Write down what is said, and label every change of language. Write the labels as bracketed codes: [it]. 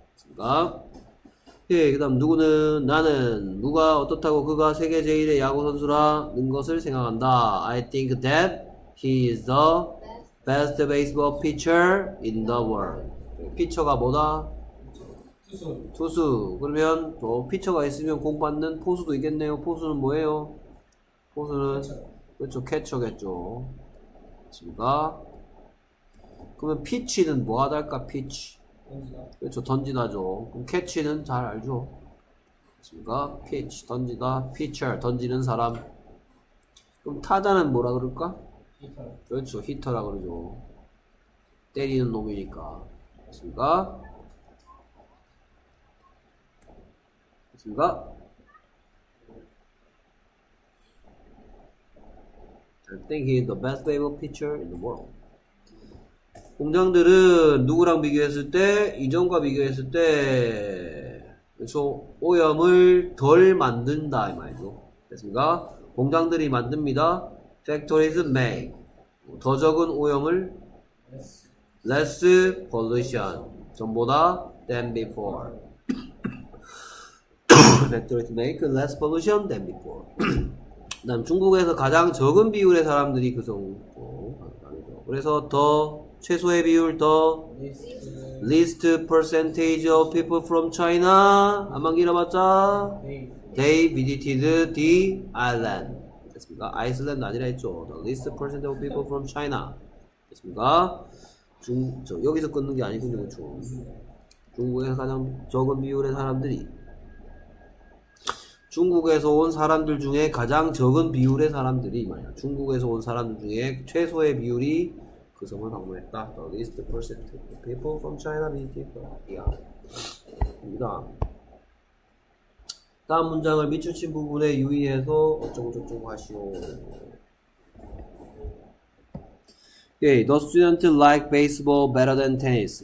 [ko] 그러니까 예, 그다음 누구는 나는 누가 어떻다고 그가 세계 제일의 야구 선수라는 것을 생각한다. [en] I think that he is the best baseball pitcher in the world. [ko] 피처가 뭐다? 투수. 그러면 또 피처가 있으면 공 받는 포수도 있겠네요. 포수는 뭐예요? 포수는 그렇죠, 캐처겠죠. 지금가 그러면 피치는 뭐 하달까? 피치. 그렇죠, 던지다죠. 그럼 캐치는 잘 알죠. 맞습니까? 피치, 던지다, 피처, 던지는 사람. 그럼 타자는 뭐라 그럴까? 그렇죠, 히터라 그러죠. 때리는 놈이니까. 맞습니까? 맞습니까? [en] I think he is the best baseball pitcher in the world. [ko] 공장들은 누구랑 비교했을 때? 이전과 비교했을 때. 그래서 오염을 덜 만든다 이 말이죠. 됐습니까? 공장들이 만듭니다. [en] Factories make. [ko] 더 적은 오염을 [en] less pollution. [ko] 전보다 [en] than before. Factory to make less pollution than before. [ko] 다음 중국에서 가장 적은 비율의 사람들이 구성하고 그래서 더 최소의 비율 더 [en] least percentage of people from China [ko] 한번 길어봤자 [en] they visited the island [ko] 됐습니까? 아이슬란드 아니라 했죠. [en] The least percentage of people from China [ko] 됐습니까? 중, 저 여기서 끊는 게 아니군요. 중, 중국에서 가장 적은 비율의 사람들이 중국에서 온 사람들 중에 가장 적은 비율의 사람들이 말이야. 중국에서 온 사람 중에 최소의 비율이 그 섬을 방문했다. [en] The least percent of people from China visited the island. [ko] 다음 문장을 밑줄친 부분에 유의해서 어쩌고저쩌고 하시오. [en] Okay, the student like baseball better than tennis.